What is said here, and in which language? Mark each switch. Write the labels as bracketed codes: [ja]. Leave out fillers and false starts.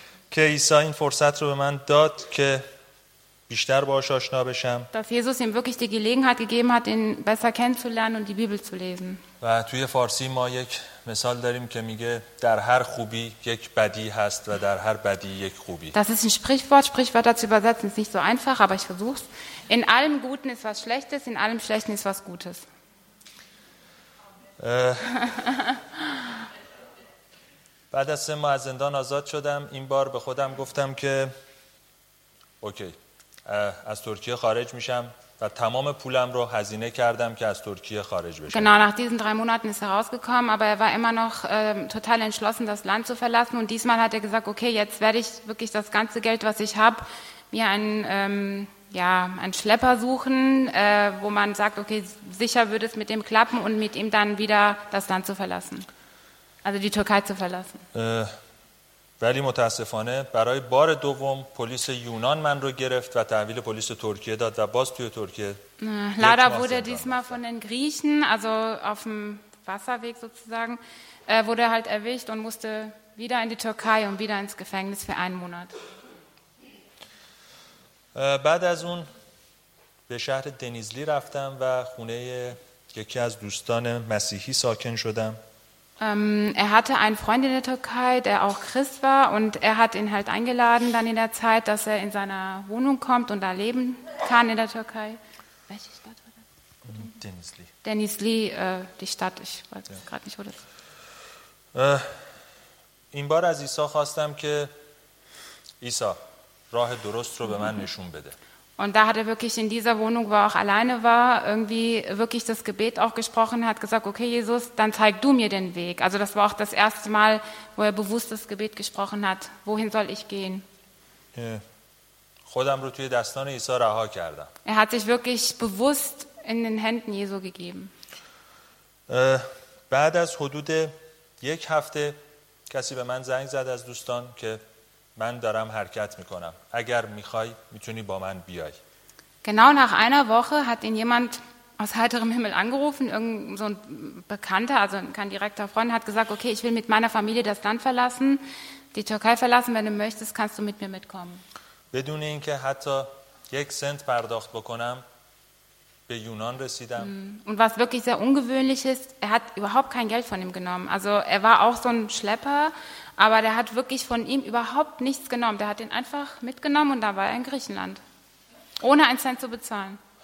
[fa] که عیسی این فرصت رو به من داد که بیشتر باهاش آشنا بشم. [de] Dass Jesus ihm wirklich die Gelegenheit gegeben hat, ihn besser kennenzulernen und die Bibel zu lesen. [fa] و توی فارسی ما یک مثال داریم که میگه در هر خوبی یک بدی هست و در هر بدی یک خوبی. [de] Das ist ein Sprichwort dazu übersetzen ist nicht so einfach, aber ich versuch's. In allem Guten ist was Schlechtes, in allem Schlechten ist was Gutes. [fa] بعد از 3 ماه از زندان آزاد شدم. این بار به خودم گفتم که اوکی. از ترکیه خارج میشم. و تمام پولم رو هزینه کردم که از ترکیه خارج بشم. [de] Genau, nach diesen 3 Monaten ist er rausgekommen, aber er war immer noch total entschlossen, das Land zu verlassen und diesmal hat er gesagt, okay, jetzt werde ich wirklich das ganze Geld, was ich habe, mir einen Schlepper suchen, wo man sagt, okay, sicher würde es mit dem klappen und mit ihm dann wieder das Land zu verlassen. Also die Türkei zu verlassen. [fa] ولی متاسفانه برای بار دوم پلیس یونان من رو گرفت و تحویل پلیس ترکیه داد و باز توی ترکیه. [de] Leider wurde diesmal von den Griechen, also auf dem Wasserweg sozusagen, wurde halt erwischt und musste wieder in die Türkei und wieder ins Gefängnis für einen Monat. [fa] بعد از اون به شهر دنیزلی رفتم و خونه یکی از دوستان مسیحی ساکن شدم. [de] Er hatte einen Freund in der Türkei, der auch Christ war, und er hat ihn halt eingeladen dann in der Zeit, dass er in seiner Wohnung kommt und da leben kann in der Türkei. Welche Stadt war das? Denizli. Denizli, die Stadt, ich weiß gerade nicht, wo das ist. [fa] این بار از عیسی خواستم که عیسی راه درست رو به من نشون بده. [de] Und da hat er wirklich in dieser Wohnung, wo er auch alleine war, irgendwie wirklich das Gebet auch gesprochen, hat gesagt, okay, Jesus, dann zeig du mir den Weg. Also das war auch das erste Mal, wo er bewusst das Gebet gesprochen hat, wohin soll ich gehen? Er hat sich wirklich bewusst in den Händen Jesu gegeben. [fa] بعد از حدود یک هفته کسی به من زنگ زد از دوستان که من دارم حرکت میکنم. اگر میخوای میتونی با من بیای. [de] Genau nach einer Woche hat ihn jemand aus heiterem Himmel angerufen, irgend so ein Bekannter, also kein direkter Freund, hat gesagt, okay, ich will mit meiner Familie das Land verlassen, die Türkei verlassen, wenn du möchtest, kannst du mit mir mitkommen. [fa] بدون اینکه حتی یک سنت پرداخت بکنم به یونان رسیدم. [de] Und was wirklich sehr ungewöhnlich ist, er hat überhaupt kein Geld von ihm genommen. Also er war auch so ein Schlepper, aber der hat wirklich von ihm überhaupt nichts genommen. Der hat ihn einfach mitgenommen und da war er in Griechenland. Ohne einen Cent zu bezahlen.